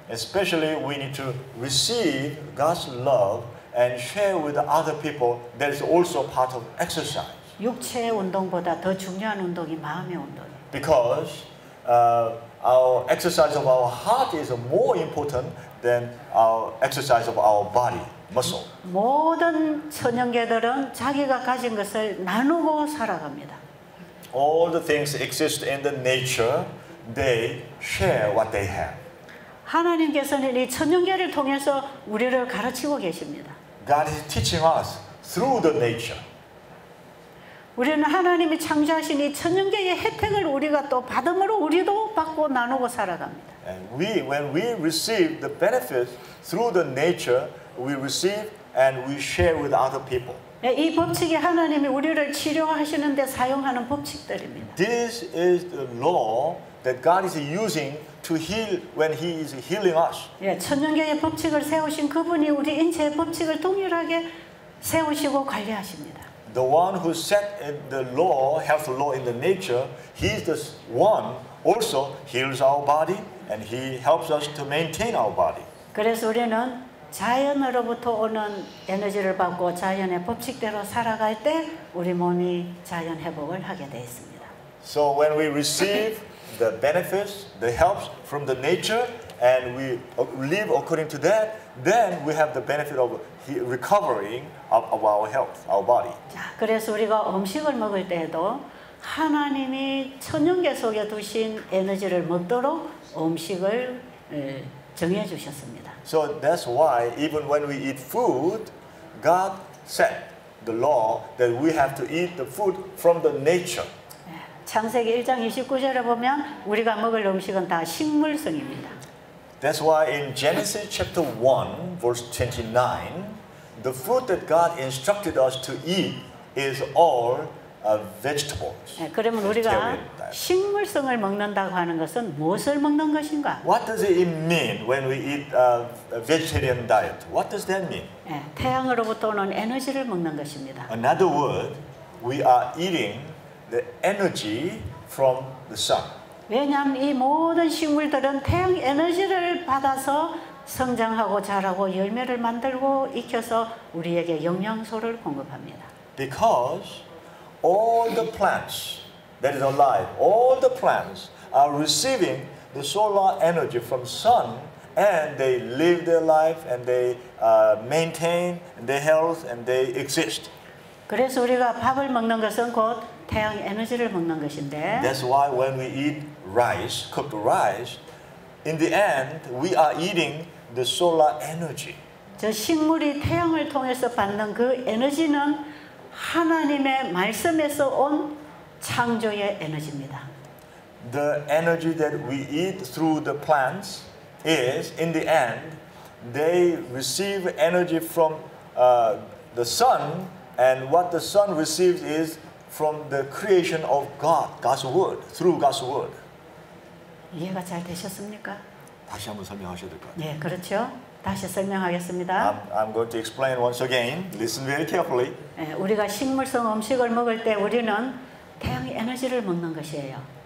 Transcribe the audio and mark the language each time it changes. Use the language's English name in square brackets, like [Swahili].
[English] Especially we need to receive God's love and share with other people. That is also part of exercise. [Korean] 육체의 운동보다 더 중요한 운동이 마음의 운동이. [English] Because our exercise of our heart is more important than our exercise of our body. Muscle. [Korean] 모든 천연계들은 자기가 가진 것을 나누고 살아갑니다. [English] All the things exist in the nature, they share what they have. [Korean] 하나님께서는 이 천연계를 통해서 우리를 가르치고 계십니다. [English] God is teaching us through the nature. [Korean] 우리는 하나님이 창조하신 이 천연계의 혜택을 우리가 또 받음으로 우리도 받고 나누고 살아갑니다. [English] And we, when we receive the benefits through the nature, we receive and we share with other people. [Korean] 이 법칙이 하나님이 우리를 치료하시는 데 사용하는 법칙들입니다. [English] This is the law that God is using to heal when He is healing us. [Korean] 예, 천연계의 법칙을 세우신 그분이 우리 인체의 법칙을 동일하게 세우시고 관리하십니다. [English] The one who set the law, health law in the nature, He is the one also heals our body and He helps us to maintain our body. [Korean] 그래서 우리는 자연으로부터 오는 에너지를 받고 자연의 법칙대로 살아갈 때 우리 몸이 자연 회복을 하게 되어 있습니다. [English] So when we receive the benefits, the helps from the nature, and we live according to that, then we have the benefit of recovering of our health, our body. [Korean] 자, 그래서 우리가 음식을 먹을 때에도 하나님이 천연계 속에 두신 에너지를 먹도록 음식을 정해 주셨습니다. [English] So that's why even when we eat food, God set the law that we have to eat the food from the nature. [Korean] 창세기 1장 29절에 보면 우리가 먹을 음식은 다 식물성입니다. [English] That's why in Genesis chapter 1 verse 29, the food that God instructed us to eat is all vegetables. [Korean] 그러면 우리가 식물성을 먹는다고 하는 것은 무엇을 먹는 것인가? [English] What does it mean when we eat a vegetarian diet? What does that mean? [Korean] 태양으로부터 오는 에너지를 먹는 것입니다. [English] Another word, we are eating the energy from the sun. [Korean] 왜냐하면 이 모든 식물들은 태양 에너지를 받아서 성장하고 자라고 열매를 만들고 익혀서 우리에게 영양소를 공급합니다. [English] Because all the plants that is alive, all the plants are receiving the solar energy from sun and they live their life and they maintain their health and they exist. [Korean] 그래서 우리가 밥을 먹는 것은 곧 태양 에너지를 먹는 것인데. [English] That's why when we eat rice, cooked rice, in the end, we are eating the solar energy. [Korean] 저 식물이 태양을 통해서 받는 그 에너지는 하나님의 말씀에서 온 창조의 에너지입니다. [English] The energy that we eat through the plants is, in the end, they receive energy from the sun, and what the sun receives is from the creation of God, God's word, through God's word. [Korean] 이해가 잘 되셨습니까? 다시 한번 설명하셔야 될 것 같아요. 네, 그렇죠. 다시 설명하겠습니다. [English] I'm going to explain once again. Listen very carefully. [Korean] 우리가 식물성 음식을 먹을 때 우리는 태양의 에너지를 먹는 것이에요.